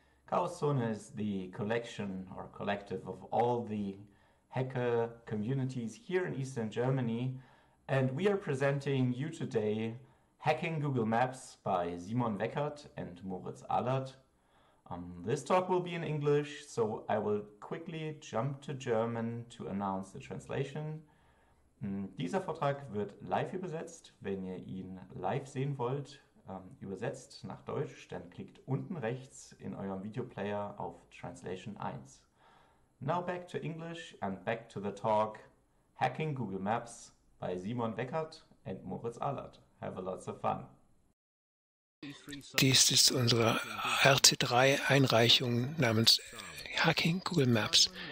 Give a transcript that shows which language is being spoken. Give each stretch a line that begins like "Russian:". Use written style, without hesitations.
English: Chaoszone is the collection or collective of all the hacker communities here in Eastern Germany, and we are presenting you today Hacking Google Maps by Simon Weckert and Moritz Allert. This talk will be in English, so I will quickly jump to German to announce the translation.
German: Dieser Vortrag wird live übersetzt. Wenn ihr ihn live sehen wollt, übersetzt nach Deutsch, dann klickt unten rechts in eurem Videoplayer auf Translation 1.
English: Now back to English and back to the talk Hacking Google Maps by Simon Weckert and Moritz Allert. Have a lots of fun.
German: Dies ist unsere RC3-Einreichung namens Hacking Google Maps.